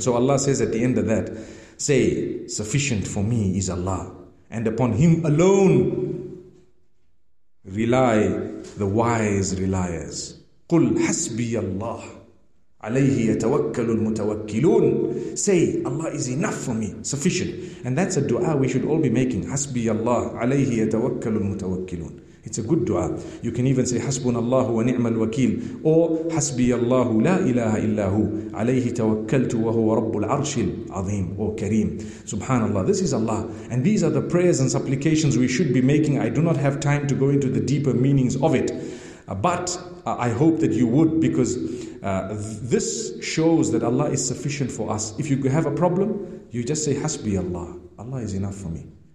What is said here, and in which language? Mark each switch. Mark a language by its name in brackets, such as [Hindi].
[English] So Allah says at the end of that, say, sufficient for me is Allah, and upon Him alone rely the wise reliers. [Arabic] قُلْ حَسْبِيَ اللَّهِ عَلَيْهِ يَتَوَكَّلُ الْمُتَوَكِّلُونَ. [English] Say, Allah is enough for me, sufficient. And that's a dua we should all be making. [Arabic] حَسْبِيَ اللَّهِ عَلَيْهِ يَتَوَكَّلُ الْمُتَوَكِّلُونَ. [English] It's a good dua. You can even say [Arabic] حَسْبُنَ اللَّهُ وَنِعْمَ الْوَكِيلُ, or حَسْبِيَ اللَّهُ لَا إِلَهَ إِلَّا هُوَ عَلَيْهِ تَوَكَّلْتُ وَهُوَ رَبُّ الْعَرْشِ الْعَظِيمِ, or كَرِيمِ. [English] Subhanallah, this is Allah. And these are the prayers and supplications we should be making. I do not have time to go into the deeper meanings of it. But I hope that you would, because this shows that Allah is sufficient for us. If you have a problem, you just say [Arabic] حَسْبِيَ اللَّهُ, [English] Allah is enough for me.